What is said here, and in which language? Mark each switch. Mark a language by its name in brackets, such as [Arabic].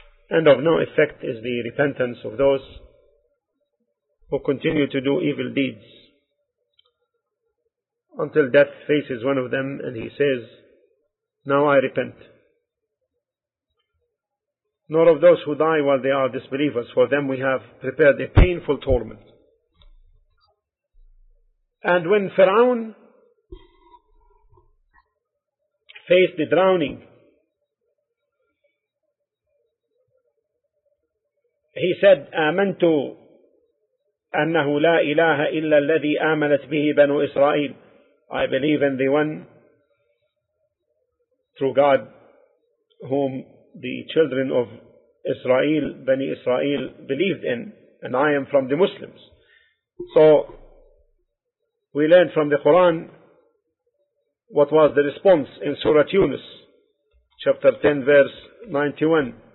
[English] And of no effect is the repentance of those who continue to do evil deeds until death faces one of them and he says, now I repent. Nor of those who die while they are disbelievers. For them we have prepared a painful torment. And when Pharaoh faced the drowning, he said, [Arabic] آمنت أنه لا إله إلا الذي آمنت به بنو إسرائيل. [English] I believe in the one true God whom the children of Israel, Bani Israel, believed in, and I am from the Muslims. So we learn from the Quran what was the response in Surah Yunus, chapter 10, verse 91.